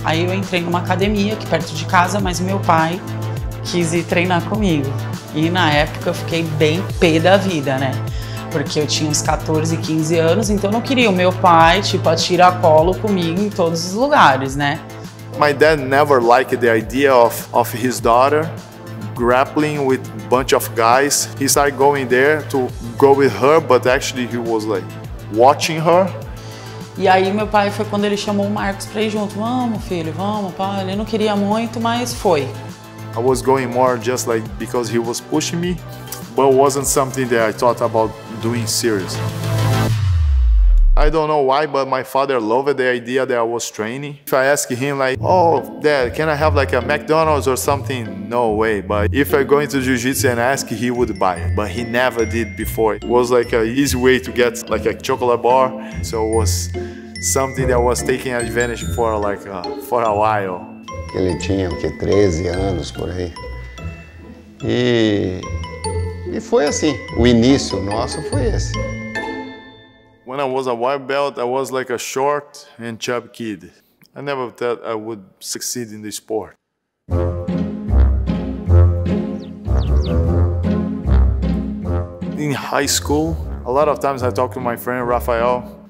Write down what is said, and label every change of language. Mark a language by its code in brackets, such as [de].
[pt] Aí eu entrei numa academia aqui perto de casa, mas meu pai quis ir treinar comigo. E na época eu fiquei bem pé da vida, né? Porque eu tinha uns 14, 15 anos, então eu não queria o meu pai, tipo, atirar colo comigo em todos os lugares, né? [en] My dad never liked the idea of his daughter grappling with a bunch of guys. He started going there to go with her, but actually he was like watching her. [pt] E aí meu pai foi quando ele chamou o Marcos pra ir junto. Vamos, filho, vamos, pai. Ele não queria muito, mas foi. [en] I was going more just like because he was pushing me, but it wasn't something that I thought about doing seriously. I don't know why, but my father loved the idea that I was training. If I ask him like, oh, dad, can I have like a McDonald's or something? No way. But if I go into jiu-jitsu and ask, he would buy it. But he never did before. It was like an easy way to get like a chocolate bar. So it was something that was taking advantage for like for a while. [pt] Ele tinha o que, 13 anos por aí. E E foi assim. O início nosso foi esse. [en] When I was a white belt, I was like a short and chubby kid. I never thought I would succeed in the sport. In high school, a lot of times I talk to my friend Rafael.